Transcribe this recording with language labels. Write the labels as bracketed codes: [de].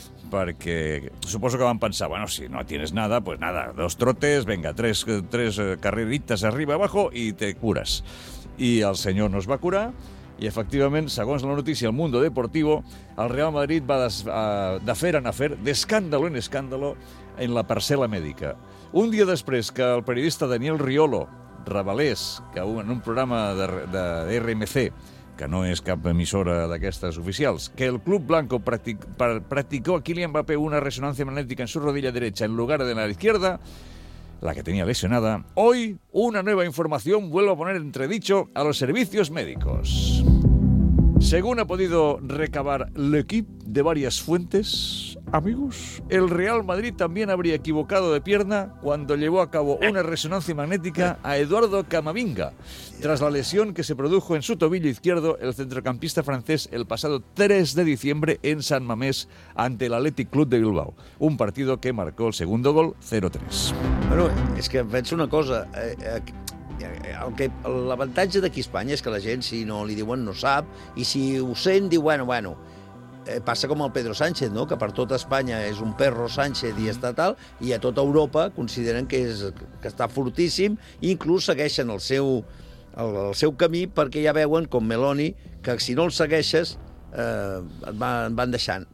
[ca] Perquè suposo que van pensar, [es] bueno, si no tienes nada, pues nada, dos trotes, venga, tres carreritas arriba, abajo, y te curas. [ca] I el senyor no es va curar, i efectivament, segons la notícia, el Mundo Deportivo, el Real Madrid va de fer en afer, [es] d'escàndalo en escàndalo, [ca] en la parcel·la mèdica. Un dia després que el periodista Daniel Riolo revelés que en un programa de RMC, que no és cap emissora d'aquestes oficials, que [es] el Club Blanco practicó a Kylian Mbappé una resonancia magnética en su rodilla derecha en lugar de la izquierda, la que tenía lesionada, hoy una nueva información vuelve a poner entredicho a los servicios médicos. Según ha podido recabar L'Equip de varias fuentes, amigos, el Real Madrid también habría equivocado de pierna cuando llevó a cabo una resonancia magnética a Eduardo Camavinga tras la lesión que se produjo en su tobillo izquierdo el centrocampista francés el pasado 3 de diciembre en San Mamés ante el Athletic Club de Bilbao, un partido que marcó el segundo gol 0-3. [ca] Bueno, es que veig una cosa... L'avantatge d'aquí a Espanya és que la gent, si no li diuen, no sap, i si ho sent, diu, bueno, passa com el Pedro Sánchez, no?, que per tota Espanya és un perro Sánchez i està tal, i a tota Europa consideren que està fortíssim, i inclús segueixen el seu camí perquè ja veuen, com Meloni, que si no el segueixes, et van deixant.